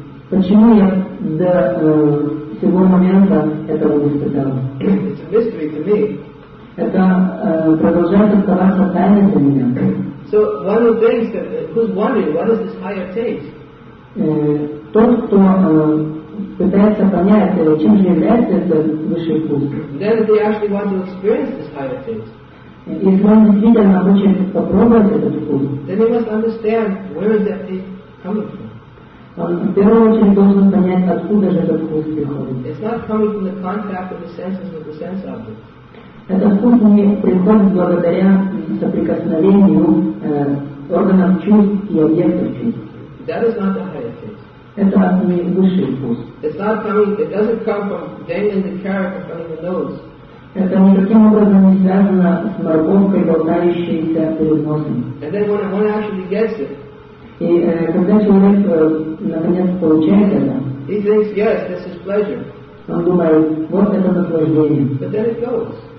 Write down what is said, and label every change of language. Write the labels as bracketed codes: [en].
[ru] Почему я до всего момента этого не испытал? [en] It's a mystery to me. [ru] Это продолжает оставаться тайной для меня. [en] So one of the things that who's wondering, what is this higher taste? [ru] Тот, кто пытается понять, чем же является этот высший вкус. [en] Then they actually want to experience this higher taste. [ru] Если он действительно хочет попробовать этот вкус, [en] then they must understand where is that taste coming from. [ru] Он в первую очередь должен понять, откуда же этот вкус приходит. [en] It's not coming from the contact of the senses with the sense object. [ru] Этот вкус не приходит благодаря соприкосновению органов чувств и объектов чувств. [en] That is not the higher taste. [ru] Это не высший вкус. [en] It's not coming, it doesn't come from dangling the carrot in front of the nose. [ru] Это никаким образом не связано с морковкой, болтающейся перед носом. [en] And then when one actually gets it, [ru] и когда человек наконец получает это, [en] he thinks, yes, this is pleasure. [ru] Он думает, вот это наслаждение. [en] But then it goes.